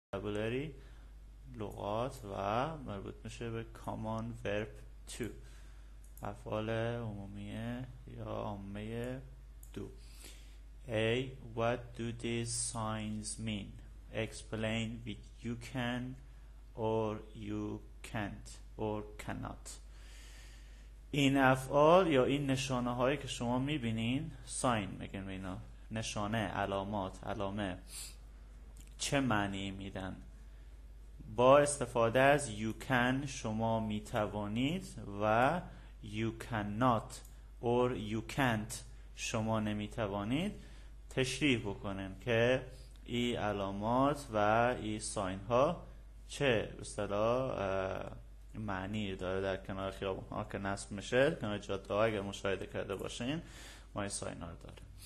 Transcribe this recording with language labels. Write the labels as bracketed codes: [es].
[fa] vocabulary لغات و مربوط میشه به [en] common verb to، [fa] افعال عمومی یا عامه دو. [en] A. What do these signs mean? Explain with you can or you can't or cannot. [fa] این افعال یا این نشانه هایی که شما میبینین، ساین میگن به اینا، نشانه، علامات، علامه، چه معنی میدن؟ با استفاده از [en] you can [fa] شما میتوانید و [en] you cannot or you can't [fa] شما نمیتوانید تشریح بکنن که ای علامات و ای ساین ها چه اصطلاح معنی داره در کنار خیابون ها که نصب میشه، کنار جاده ها اگر مشاهده کرده باشین ما ای ساین ها داره.